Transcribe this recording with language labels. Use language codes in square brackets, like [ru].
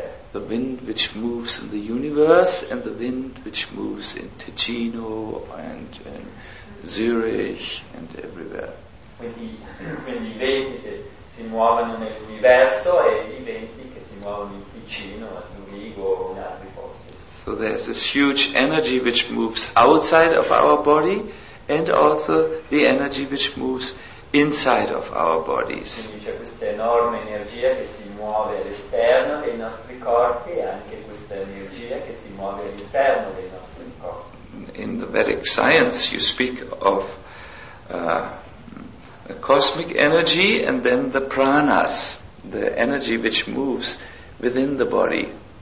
[en] The wind which moves in the universe and the wind which moves in Ticino and in Zurich and everywhere. [it] Quindi i venti che si muovono nell'universo e i venti che si muovono in Ticino, a Zurigo o in altri posti. [en] So there's this huge energy which moves outside of our body and also the energy which moves inside of our bodies. [it] Quindi c'è questa enorme energia che si muove all'esterno dei nostri corpi, e anche questa energia che si muove all'interno dei nostri corpi. [en] In the Vedic science you speak of a cosmic energy and then the pranas, the energy which moves within the body.